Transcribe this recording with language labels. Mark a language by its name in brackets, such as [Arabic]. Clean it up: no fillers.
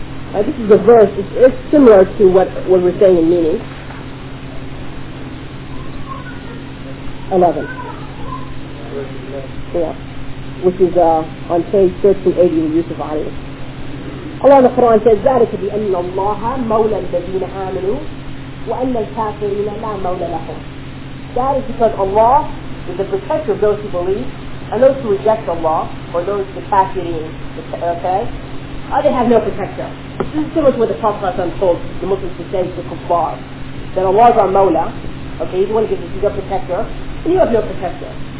[English] This is a verse, it's similar to what we were saying in meaning. 11. Yeah. Which is on page 1380 in Yusuf Ali. Allah in the Quran says, [Arabic] ذَلِكَ بِأَنَّ اللَّهَ مَوْلَى الَّذِينَ آمَنُوا وَأَنَّ الْكَافِرِينَ لَا مَوْلَى لَهُمْ. [English] That is because Allah is the protector of those who believe, and those who reject Allah, or those the kafirin, okay? They have no protector. This is similar to what the Prophet ﷺ told the Muslims to say to the kuffar, that Allah is our Mawla, okay, he's the one who gives us, he's our protector, and you have no protector.